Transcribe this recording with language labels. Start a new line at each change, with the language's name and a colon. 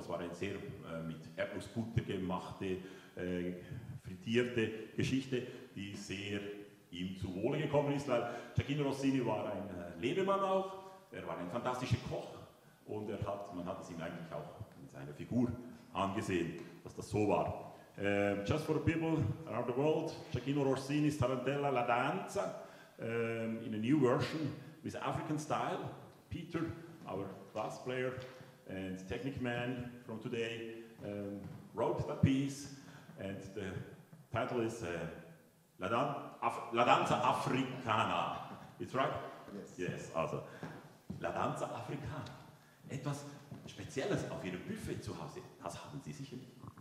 German: Das war eine sehr mit Erdnussbutter gemachte, frittierte Geschichte, die sehr ihm zu Wohle gekommen ist, weil Giacchino Rossini war ein Lebemann auch, er war ein fantastischer Koch und man hat es ihm eigentlich auch in seiner Figur angesehen, dass das so war.
English: Just for the people around the world, Giacchino Rossini's Tarantella La Danza in a new version with African style. Peter, our bass player and technique man from today, wrote that piece and the title is La Danza Africana. It's right? Yes. Yes, also La Danza Africana.
German: Etwas Spezielles auf Ihrem Buffet zu Hause, das haben Sie sicher nicht.